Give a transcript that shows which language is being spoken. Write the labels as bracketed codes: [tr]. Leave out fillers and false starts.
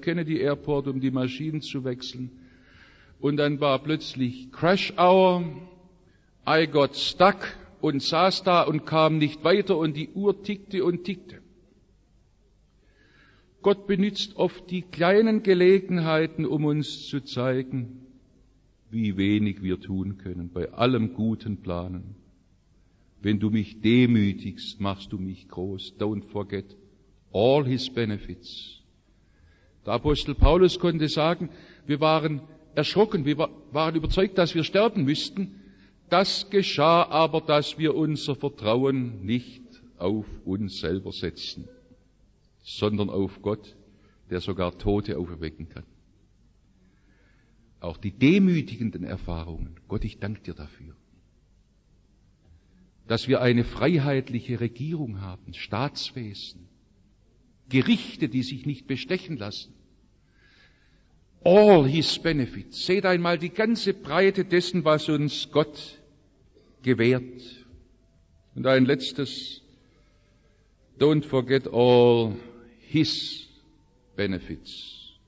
[de] Kennedy Airport, um die Maschinen zu wechseln. Und dann war plötzlich [en] Crash Hour, I got stuck [de] und saß da und kam nicht weiter und die Uhr tickte und tickte. Gott benutzt oft die kleinen Gelegenheiten, um uns zu zeigen, wie wenig wir tun können bei allem guten Planen. Wenn du mich demütigst, machst du mich groß. [en] Don't forget all his benefits. [de] Der Apostel Paulus konnte sagen, wir waren erschrocken, wir waren überzeugt, dass wir sterben müssten. Das geschah aber, dass wir unser Vertrauen nicht auf uns selber setzen, sondern auf Gott, der sogar Tote auferwecken kann. Auch die demütigenden Erfahrungen, Gott, ich danke dir dafür, dass wir eine freiheitliche Regierung haben, Staatswesen, Gerichte, die sich nicht bestechen lassen. [en] All his benefits. [de] Seht einmal die ganze Breite dessen, was uns Gott gewährt. Und ein letztes. [en] Don't forget all his benefits.